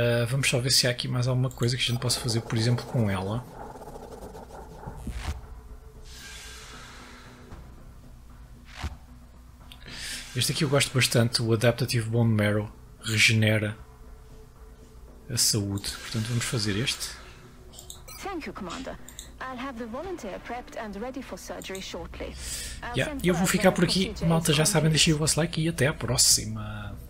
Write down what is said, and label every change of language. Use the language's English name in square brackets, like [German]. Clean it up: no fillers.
[Portuguese] Vamos só ver se há aqui mais alguma coisa que a gente possa fazer, por exemplo, com ela. Este aqui eu gosto bastante, o Adaptative Bone Marrow regenera a saúde. Portanto, vamos fazer este. [English] Thank you, Commander. I'll have the volunteer prepped and ready for surgery shortly. [Portuguese] Eu vou ficar por aqui. Malta, já sabem, deixem o vosso like e até à próxima.